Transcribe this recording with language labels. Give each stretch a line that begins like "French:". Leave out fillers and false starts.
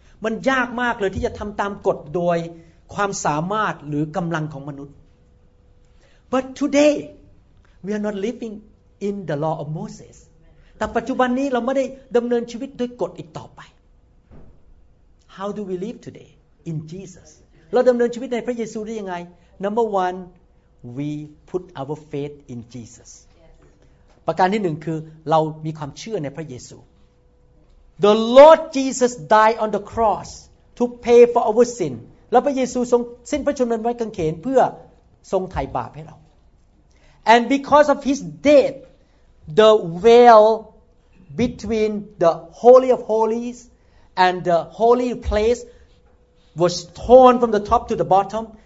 Thai: มันยากมากเลยที่จะทำตามกฎโดยความสามารถหรือกำลังของมนุษย์
English: But today we are not living in the law of Moses
Thai: แต่ปัจจุบันนี้เราไม่ได้ดำเนินชีวิตด้วยกฎอีกต่อไป
English: How do we live today in Jesus
Thai: เราดำเนินชีวิตในพระเยซูได้ยังไง
English: Number one we put our faith in Jesus
Thai: ประการที่หนึ่งคือเรามีความเชื่อในพระเยซู
English: The Lord Jesus died on the cross to pay for our sin.
Thai: แล้วพระเยซูทรงสิ้นพระชนม์ไว้กางเขนเพื่อทรงไถ่บาปให้เรา
English: And because of his death, the veil between the Holy of Holies and the Holy Place was torn from the top to the bottom.